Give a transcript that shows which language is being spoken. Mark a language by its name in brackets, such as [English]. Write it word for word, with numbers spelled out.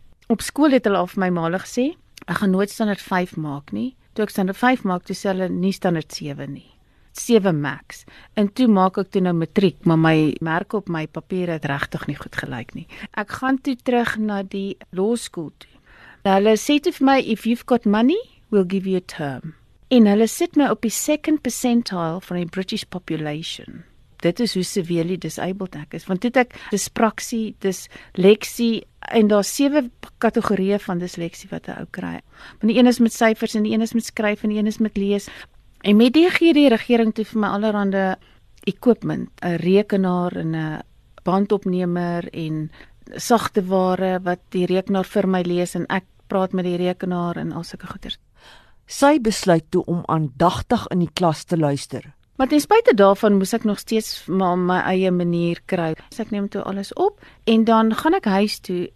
[Afrikaans] Op skool het hulle al vir my ma gesê, ek gaan nooit standaard vyf maak nie. Toe ek standaard vyf maak, toe sê hulle nie standaard sewe nie. sewe max. En toe maak ek toe nou matriek, maar my merke op my papiere het regtig nie goed gelyk nie. Ek gaan toe terug na die law school toe. Hulle sê toe vir my, [English] if you've got money, we'll give you a term. [Afrikaans] En hulle sit my op die [English] second percentile [Afrikaans] van die [English] British population. [Afrikaans] Dit is hoe [English] severely disabled [Afrikaans] ek is, want toe ek dyspraksie, dysleksie, en daar sewe kategorieë van dysleksie wat ek ou kry. Want die een is met syfers, en die een is met skryf, en die een is met lees. En met die gee die regering toe vir my allerhande equipment, 'n rekenaar en 'n bandopnemer en sagte ware wat die rekenaar vir my lees en ek praat met die rekenaar en al sulke goeders. Sy besluit toe om aandagtig in die klas te luister. Maar ten spyte daarvan moes ek nog steeds maar my eie manier kry. So ek neem toe alles op en dan gaan ek huis toe.